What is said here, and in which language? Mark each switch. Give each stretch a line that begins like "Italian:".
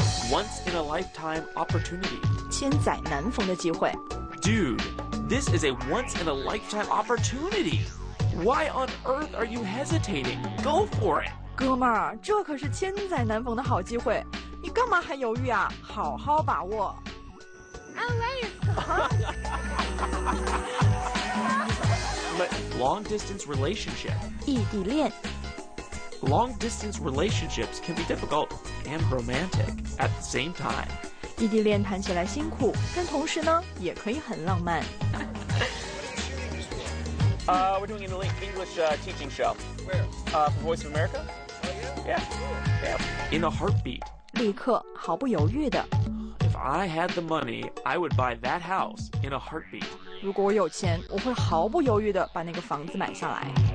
English: Once in a lifetime opportunity.
Chinese: 千载难逢的机会
English: Dude, this is a once in a lifetime opportunity. Why on earth are you hesitating? Go for it.
Chinese: 哥们儿，这可是千载难逢的好机会，你干嘛还犹豫啊？好好把握。
English: I'm ready. But long distance relationship.
Chinese: 异地恋。
English: Long distance relationships can be difficult and romantic at the same time.
Chinese: 异地恋谈起来辛苦，但同时呢，也可以很浪漫。
English: We're doing an English teaching show. Where? For Voice of America. Oh yeah. Yeah. In a heartbeat.
Chinese: 立刻，毫不犹豫的。
English: If I had the money, I would buy that house in a heartbeat.
Chinese: 如果我有钱，我会毫不犹豫的把那个房子买下来。